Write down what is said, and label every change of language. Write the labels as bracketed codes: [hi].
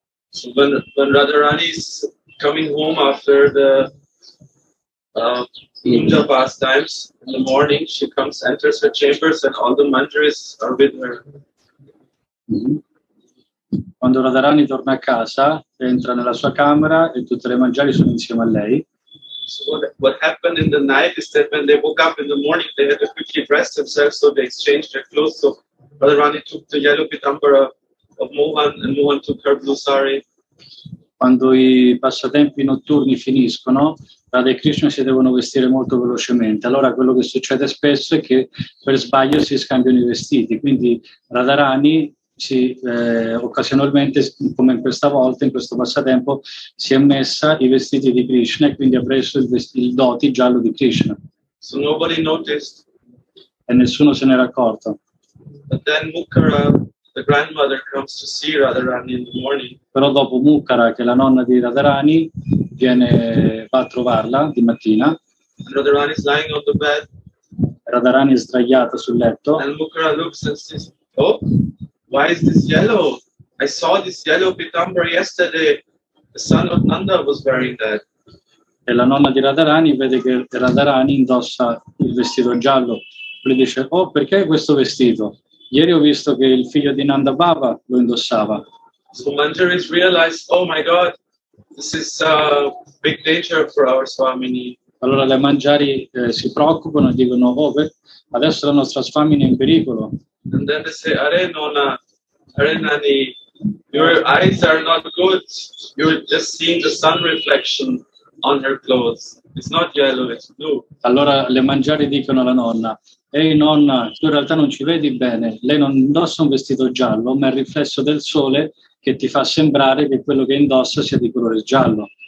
[en] So when Radharani is coming home after the puja pastimes in the morning, she comes, enters her chambers, and all the mandaris are with her. [it] Quando Radharani torna a casa, entra nella sua camera e tutte le mandari sono insieme a lei. [en] So what happened in the night is that when they woke up in the morning, they had to quickly dress themselves, so they exchanged their clothes. So Radharani took the yellow pitambara of Mohan, and Mohan took her blue sari. [it] Quando i passatempi notturni finiscono, Radha e Krishna si devono vestire molto velocemente. Allora quello che succede spesso è che per sbaglio si scambiano i vestiti. Quindi Radharani si occasionalmente, come questa volta, in questo passatempo, si è messa i vestiti di Krishna e quindi ha preso il doti giallo di Krishna. [en] So nobody noticed. [it] E nessuno se n'era accorto. [en] But then Mukhara, the grandmother, comes to see Radharani in the morning. [it] Però dopo Mukhara, che è la nonna di Radharani, viene, va a trovarla di mattina. [en] And Radharani is lying on the bed. [it] Radharani è sdraiata sul letto. [en] And Mukhara looks and says, "Oh, why is this yellow? I saw this yellow pitambara yesterday. The son of Nanda was wearing that." [it] E la nonna di Radharani vede che Radharani indossa il vestito giallo. Lui dice, "Oh, perché questo vestito? Ieri ho visto che il figlio di Nanda Baba lo indossava." [en] So Manjari realized, "Oh my God, this is a big danger for our Swamini." [it] Allora le manjari si preoccupano e dicono: oh, adesso la nostra famiglia è in pericolo. [en] And then they say, [hi] Are nona, Are nani, [en] your eyes are not good. You're just seeing the sun reflection on her clothes. It's not yellow, it's blue. [it] Allora le manjari dicono alla nonna: ehi nonna, tu in realtà non ci vedi bene. Lei non indossa un vestito giallo, ma è il riflesso del sole che ti fa sembrare che quello che indossa sia di colore giallo.